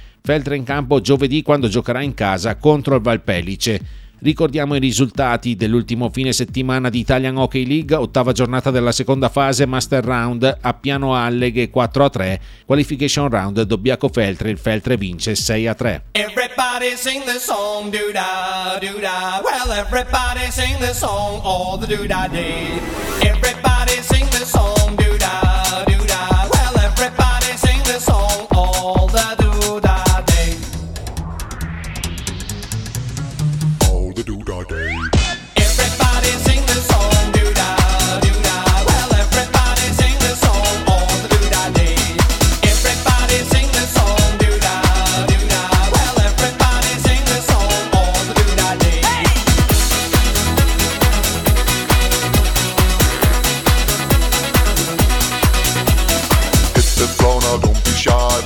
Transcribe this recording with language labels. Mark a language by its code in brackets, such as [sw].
[it] Feltre in campo giovedì quando giocherà in casa contro il Valpellice. Ricordiamo i risultati dell'ultimo fine settimana di Italian Hockey League, ottava giornata della seconda fase, Master Round a Piano Alleghe 4-3, Qualification Round Dobbiaco Feltre, il Feltre vince 6-3. [en] Everybody sing the song, do-da, do-da, well everybody sing the song, all the do-da day. Everybody sing the song, do-da, do-da, well everybody sing the song, all the do-da. Everybody sing the song, do da, do da. Well, everybody sing the song all the do da day. Everybody sing the song, do da, do da. Well, everybody sing the song all the do da day. Hey! Hit the floor now, don't be shy.